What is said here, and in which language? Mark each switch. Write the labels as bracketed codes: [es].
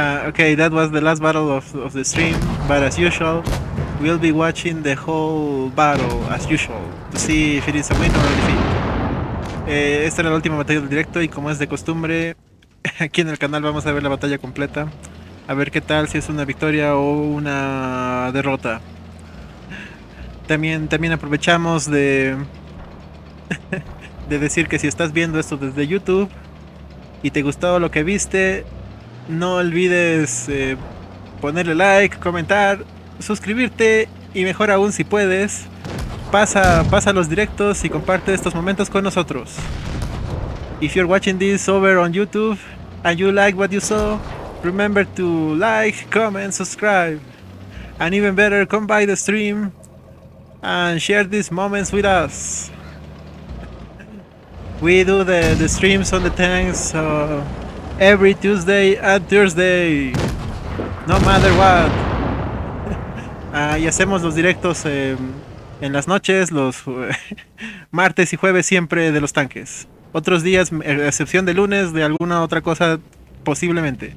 [en] Okay, that was the last battle of the stream, but as usual, we'll be watching the whole battle as usual to see if it is a win or a defeat. [es] Esta era la última batalla del directo y como es de costumbre, aquí en el canal vamos a ver la batalla completa, a ver qué tal, si es una victoria o una derrota. También aprovechamos de decir que si estás viendo esto desde YouTube y te gustó lo que viste, no olvides ponerle like, comentar, suscribirte y mejor aún si puedes, pasa los directos y comparte estos momentos con nosotros. [en] If you're watching this over on YouTube and you like what you saw, remember to like, comment, subscribe. And even better, come by the stream and share these moments with us. We do the streams on the tanks every Tuesday and Thursday, no matter what. [es] Y hacemos los directos en las noches, los martes y jueves siempre de los tanques. Otros días, a excepción de lunes, de alguna otra cosa posiblemente.